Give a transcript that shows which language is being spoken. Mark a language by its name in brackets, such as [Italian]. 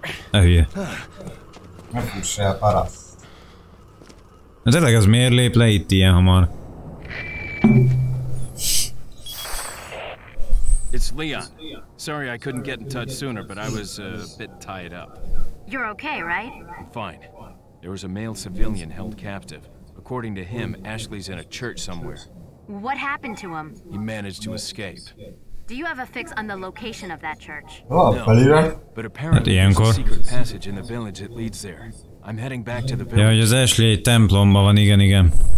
[Hungarian] Ahülye. Megfuss el, paraszt. Na tényleg az miért lép le itt ilyen hamar? [English] It's Leon. Sorry I couldn't get in touch sooner, but I was a bit tied up. You're okay, right? I'm fine. There was a male civilian held captive. According to him, Ashley's in a church somewhere. What happened to him? He managed to escape. Do you have a fix on the location of that church? Oh, Felira? But apparently there's a secret passage in the village that leads there. I'm heading back to the village. [Hungarian] Ja, hogy az Ashley egy templomba van, igen.